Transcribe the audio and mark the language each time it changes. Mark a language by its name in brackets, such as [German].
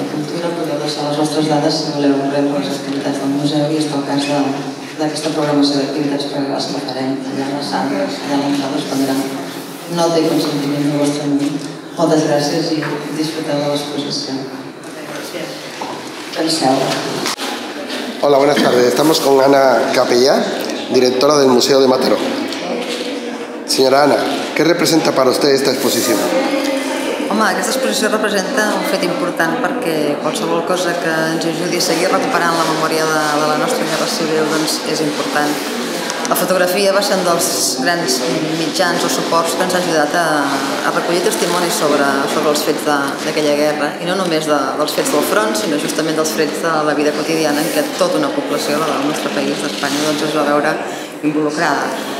[Catalan] Cultura, podeu deixar les vostres dades si voleu rebre les activitats del museu i estar al cas d'aquesta programació d'activitats regals que farem allà a la sala, allà a l'entrada es prendrà nota i consentiment del vostre amic. Moltes gràcies i disfruteu de l'exposició. Penseu. [Spanish] Hola, buenas tardes. Estamos con Ana Capellà, directora del Museo de Mataró. Señora Ana, ¿qué representa para usted esta exposición? [Catalan] Home, aquesta exposició representa un fet important perquè qualsevol cosa que ens ajudi a seguir recuperant la memòria de la nostra guerra civil doncs és important. La fotografia va ser un dels grans mitjans o suports que ens ha ajudat a recollir testimonis sobre els fets d'aquella guerra, i no només dels fets del front, sinó justament dels fets de la vida quotidiana en què tota una població del nostre país, d'Espanya, doncs es va veure involucrada.